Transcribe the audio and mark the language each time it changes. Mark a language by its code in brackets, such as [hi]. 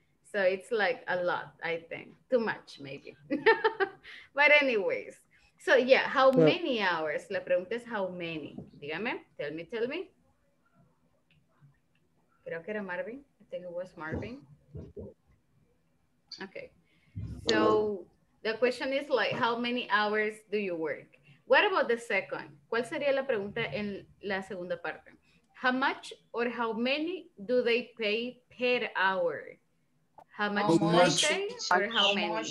[en] So it's like a lot, I think. Too much, maybe. But anyways, so yeah, how many hours? [es] La pregunta es how many. Dígame, [en] tell me. [es] Creo que era Marvin. [en] I think it was Marvin. Okay. So the question is like, how many hours do you work? What about the second? [es] ¿Cuál sería la pregunta en la segunda parte? [en] How much or how many do they pay per hour? How much do they pay or how many?